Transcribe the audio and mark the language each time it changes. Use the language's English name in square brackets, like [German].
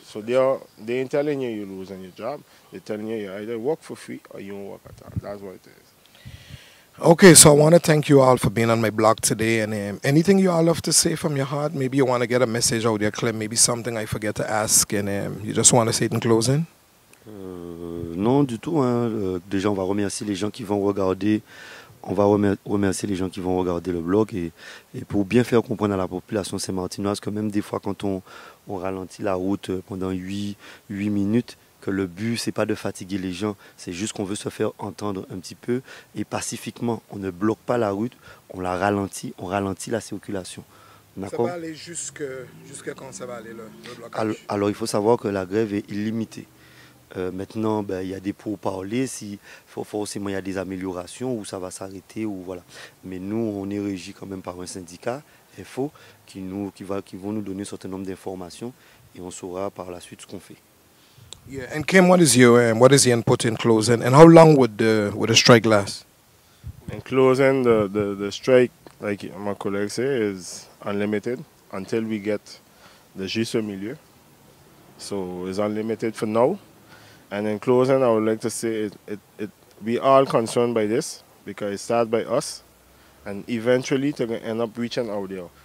[English] So they ain't telling you you're losing your job. They're telling you you either work for free or you don't work at all. That's what it is. Okay, so I want to thank you all for being on my blog today. And anything you all have to say from your heart, maybe you want to get a message out there, Clem, maybe something I forget to ask, and you just want to say it in closing? [French] Non, du tout. Hein. Déjà, on va remercier les gens qui vont regarder. On va remercier les gens qui vont regarder le blog. Et pour bien faire comprendre à la population saint-martinoise que même des fois, quand on ralentit la route pendant 8 minutes, que le but, c'est pas de fatiguer les gens. C'est juste qu'on veut se faire entendre un petit peu. Et pacifiquement, on ne bloque pas la route. On la ralentit. On ralentit la circulation. D'accord? Ça va aller jusqu'à quand ça va aller, le blocage? Alors, il faut savoir que la grève est illimitée. Maintenant, ben, y a des pourparlers, si forcément il y a des améliorations ou ça va s'arrêter ou voilà. Mais nous, on est régi quand même par un syndicat, FO, qui vont nous donner un certain nombre d'informations et on saura par la suite ce qu'on fait. [English] Yeah, and Kim, what is your input in closing? And how long would the strike last? In closing, the strike, like my colleague said, is unlimited until we get the juste milieu. So it's unlimited for now. And in closing, I would like to say it we all concerned by this because it starts by us and eventually to end up reaching out there.